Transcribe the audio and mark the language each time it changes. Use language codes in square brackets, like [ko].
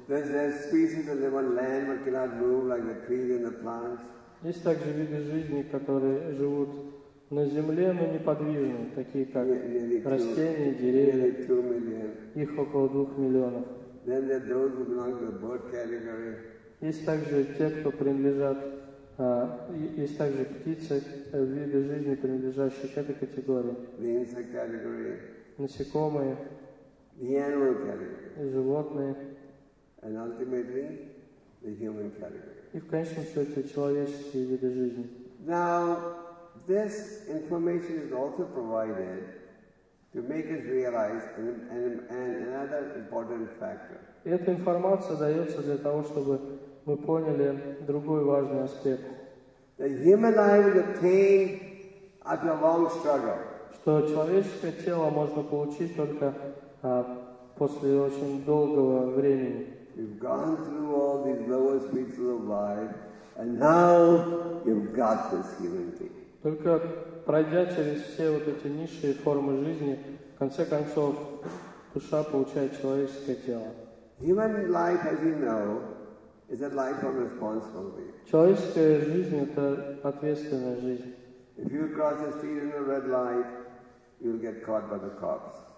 [en] There's species that live on land but cannot move, like the trees and the plants. [ru] Есть также виды жизни, которые живут на земле, но неподвижны, такие как растения, деревья. Их около 2 миллионов. [en] Then there are those who belong to the bird category. [ru] Есть также те, кто принадлежат. Есть также птицы, виды жизни, принадлежащие к этой категории. [en] The insect category. [ru] Насекомые. [en] The animal category. [ru] Животные. [en] And ultimately, the human category. [ru] И в конечном счете человеческие виды жизни. [en] Now, this information is also provided to make us realize another important factor. [ru] Эта информация дается для того, чтобы мы поняли другой важный аспект. [en] The human life is attained after a long struggle. [ru] Что человеческое тело можно получить только после очень долгого времени. [en] You've gone through all these lower species of life, and now you've got this human being. [ru] Только пройдя через все вот эти низшие формы жизни, в конце концов душа получает человеческое тело. [en] Human life, as you know, is a life of responsibility. [ru] Человеческая жизнь — это ответственная жизнь. [en] If you cross the street in a red light, you'll get caught by the cops.